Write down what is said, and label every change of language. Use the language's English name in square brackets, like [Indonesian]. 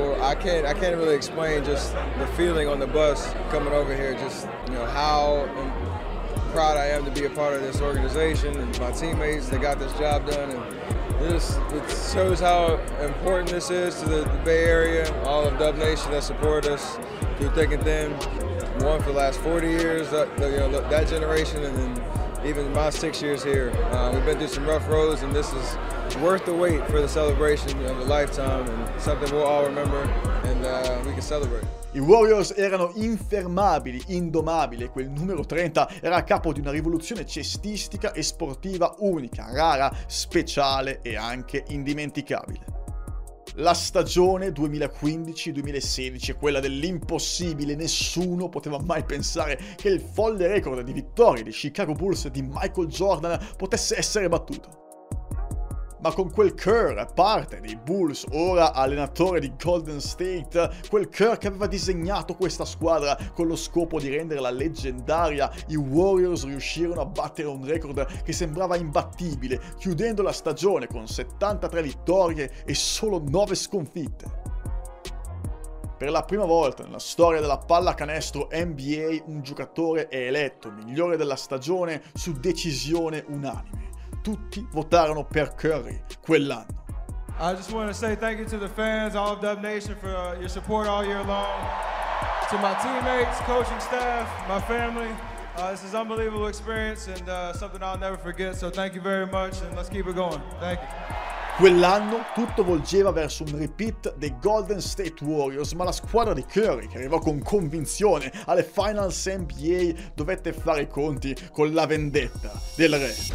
[English] I can't really explain just the feeling on the bus coming over here, just you know how proud I am to be a part of this organization and my teammates that got this job done, and it shows how important this is to the Bay Area, all of Dub Nation that support us through thick and thin, one for the last 40 years, that generation, and then even my 6 years here. We've been through some rough roads, and this is worth the wait for the celebration of a lifetime and something we'll all remember and we can celebrate. [Italian] I Warriors erano infermabili, indomabili, quel numero 30 era a capo di una rivoluzione cestistica e sportiva unica, rara, speciale e anche indimenticabile. La stagione 2015-2016 è quella dell'impossibile, nessuno poteva mai pensare che il folle record di vittorie di Chicago Bulls di Michael Jordan potesse essere battuto. Ma con quel Kerr, parte dei Bulls, ora allenatore di Golden State, quel Kerr che aveva disegnato questa squadra con lo scopo di renderla leggendaria, i Warriors riuscirono a battere un record che sembrava imbattibile, chiudendo la stagione con 73 vittorie e solo 9 sconfitte. Per la prima volta nella storia della pallacanestro NBA, un giocatore è eletto migliore della stagione su decisione unanime. Tutti votarono per Curry quell'anno. [English] I just want to say thank you to the fans, all of Dub Nation, for your support all year long. To my teammates, coaching staff, my family. This is an unbelievable experience and something I'll never forget. So thank you very much and let's keep it going. Thank you. [Italian] Quell'anno tutto volgeva verso un repeat dei Golden State Warriors, ma la squadra di Curry, che arrivò con convinzione alle Finals NBA, dovette fare i conti con la vendetta del re.